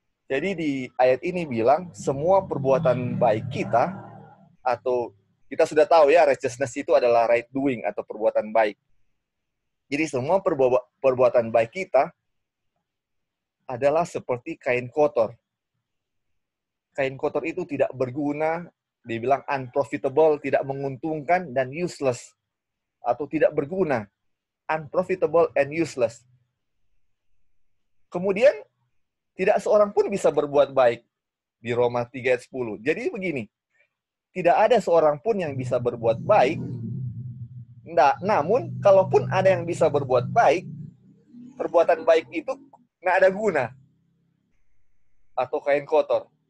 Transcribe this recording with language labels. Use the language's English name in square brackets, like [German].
[Indonesian] Jadi di ayat ini bilang, semua perbuatan baik kita, atau kita sudah tahu ya, righteousness itu adalah [English] right doing, [Indonesian] atau perbuatan baik. Jadi semua perbuatan baik kita, adalah seperti kain kotor. Kain kotor itu tidak berguna, dibilang [English] unprofitable, [Indonesian] tidak menguntungkan, dan useless. Atau tidak berguna. [English] Unprofitable and useless. [Indonesian] Kemudian, tidak seorang pun bisa berbuat baik. Di Roma 3:10. Jadi begini, tidak ada seorang pun yang bisa berbuat baik. Nggak. Namun, kalaupun ada yang bisa berbuat baik, perbuatan baik itu nggak ada guna. Atau kain kotor.